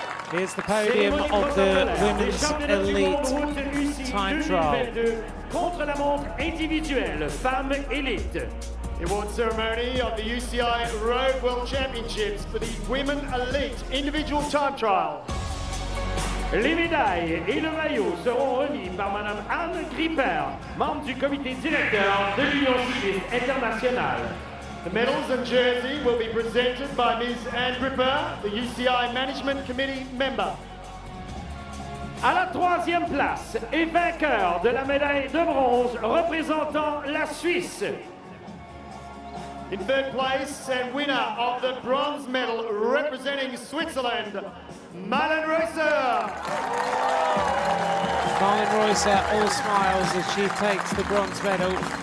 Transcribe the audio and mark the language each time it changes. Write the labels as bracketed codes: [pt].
[en] Here's the podium of the women's elite time trial. [fr] Contre la montre individuelle, femme élite. [en] Award ceremony of the UCI Road World Championships for the women elite individual time trial. [fr] Les médailles et le maillot seront remis par Madame Anne Gripper, membre du comité directeur de l'Union Cycliste Internationale. [en] The medals and jersey will be presented by Ms. Anne Gripper, the UCI Management Committee member. [fr] À la troisième place et vainqueur de la médaille de bronze représentant la Suisse. [en] In third place and winner of the bronze medal representing Switzerland, Marlen Reusser. Marlen Reusser all smiles as she takes the bronze medal.